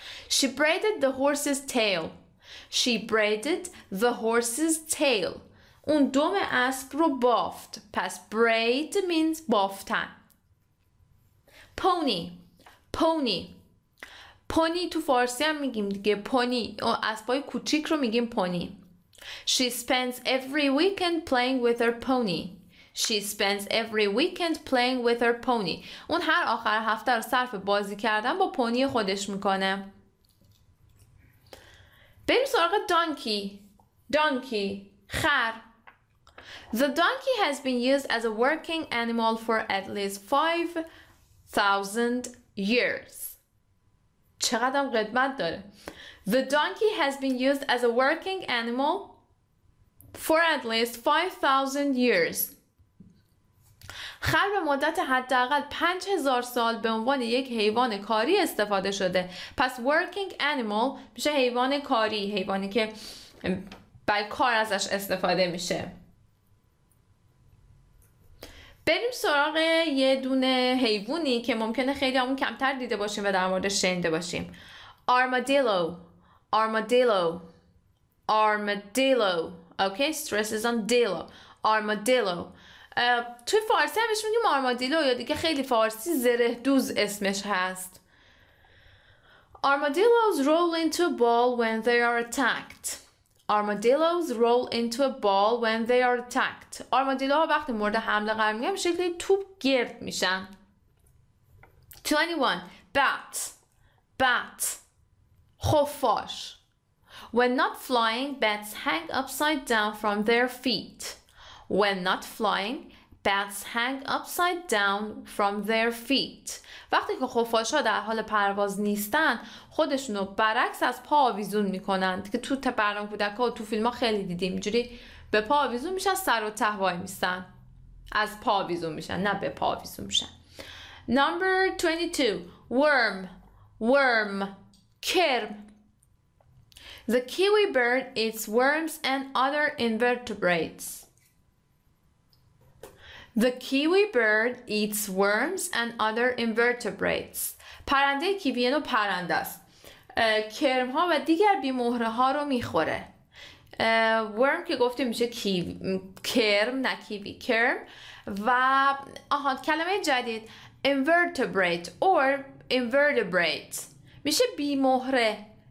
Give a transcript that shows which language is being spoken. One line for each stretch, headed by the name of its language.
English: She braided the horse's tail. She braided the horse's tail.
Persian: اون دم اسب رو بافت. پس
English: braid means
Persian: بافتن.
English: Pony. Pony.
Persian: Pony تو فارسی هم میگیم دیگه.
English: Pony.
Persian: اسبای کوچیک رو میگیم pony.
English: She spends every weekend playing with her pony. She spends every weekend playing with her pony.
Persian: اون هر آخر هفته رو صرف بازی کردن با پونی خودش میکنه. بریم سراغ دانکی. دانکی، خر.
English: The donkey has been used as a working animal for at least 5,000 years.
Persian: چقدر هم قدمت داره.
English: The donkey has been used as a working animal for at least 5,000 years.
Persian: خر به مدت حداقل 5000 سال به عنوان یک حیوان کاری استفاده شده. پس working animal میشه حیوان کاری، حیوانی که برای کار ازش استفاده میشه. بریم سراغ یه دونه حیوانی که ممکنه خیلی همون کمتر دیده باشیم و در موردش شنیده باشیم.
English: Armadillo. Armadillo. Armadillo. Okay, stress is on dillo. Armadillo.
Persian: توی فارسی همش میگیم آرمادیلو یا دیگه خیلی فارسی زره دوز اسمش هست.
English: Armadillos roll into a ball when they are attacked. Armadillos roll into a ball when they are attacked.
Persian: آرمادیلو ها وقتی مورد حمله قرار میگیرن شکلی توپ گرد میشن.
English: 21. Bat. Bat.
Persian: خفاش.
English: When not flying, bats hang upside down from their feet. When not flying, bats hang upside down from their feet.
Persian: وقتی که خفاش‌ها در حال پرواز نیستن، خودشون رو برعکس از پا آویزون می‌کنند که تو تبرم کودک‌ها و تو فیلم‌ها خیلی دیدیم. اینجوری به پا آویزون میشن، سر و ته وای میستن. از پا آویزون میشن، نه به پا آویزون میشن.
English: Number 22. Worm.
Persian: کرم.
English: The kiwi bird eats worms and other invertebrates. The kiwi bird eats worms and other invertebrates.
Persian: پرنده کیوی نو پرنده است. کرم ها و دیگر بیمهره ها رو میخوره. ورم که گفتیم میشه کرم، نه کیوی، کرم. و آها، کلمه جدید invertebrate or invertebrate میشه بیمهره.